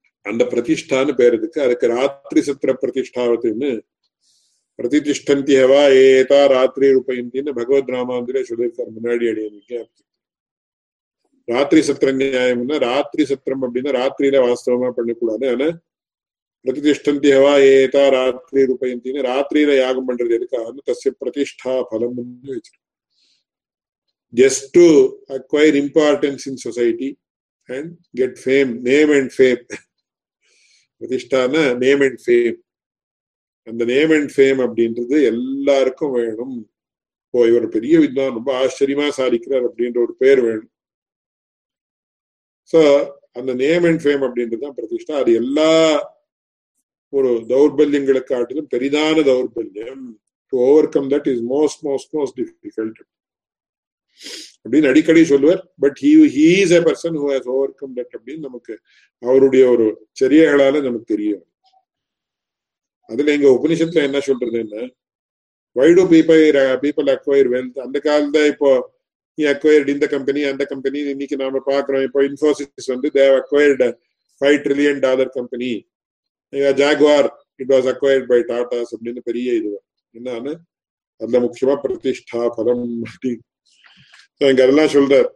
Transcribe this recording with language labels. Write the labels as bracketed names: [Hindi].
[Tamil] அந்த பிரதிஷ்டான்னு பேருக்கு, அதுக்கு ராத்திரி சத்திர பிரதிஷ்டாவதுன்னு, [Sanskrit] பிரதிதிஷ்டந்தி ஹவா ஏதா ராத்திரி உபயந்தின்னு [Tamil] பகவத் ராமாந்திரே சொல்லியிருக்காரு முன்னாடி அடையினிக்கு. ராத்திரி சத்திர நியாயம்னா, ராத்திரி சத்திரம் அப்படின்னா ராத்திரியில வாஸ்தவமா பண்ணக்கூடாது, ஆனா [Sanskrit] பிரதிதிஷ்டந்தி ஹவா ஏதா ராத்திரி உபயந்தின்னு [Tamil] ராத்திரியில யாகம் பண்றது எதுக்காக, தசிய பிரதிஷ்டா பலம் வச்சிருக்கோம். [English] Just to acquire importance in society and get fame, name and fame. Pratishthana, name and fame. And the name and fame [Tamil] அப்படின்றது எல்லாருக்கும் வேணும். இப்போ இவர் பெரிய வித்வான், ரொம்ப ஆச்சரியமா சாதிக்கிறார் அப்படின்ற ஒரு பேர் வேணும். சோ அந்த [English] name and fame [Tamil] அப்படின்றதுதான் பிரதிஷ்டா. அது எல்லா ஒரு தௌர்பல்யங்களுக்கு காட்டிலும் பெரிதான தௌர்பல்யம். [English] To overcome that is most, most, most difficult. [Tamil] அடிக்கடி சொல்லுவார், [English] but he's a person who has overcome that [Tamil] அப்படின்னு நமக்கு அவருடைய ஒரு சரியகளால நமக்கு தெரியும். அதுல எங்க உபனிஷத்துல என்ன சொல்றது, என்ன [English] why do people acquire wealth, [Tamil] அந்த காலத்துல இப்போ நீ அக்வயர்ட் இந்த கம்பெனி அந்த கம்பெனி, இன்னைக்கு நாம பாக்குறோம் இப்போ இன்ஃபோசிஸ் வந்து [English] they have acquired [Tamil] $5 trillion company, Jaguar [English] it was acquired by Tatas [Tamil] அப்படின்னு பெரிய இதுவா என்னன்னு, அந்த முக்கியமா பிரதிஷ்டா பலம் அப்படி அதெல்லாம் சொல்ற.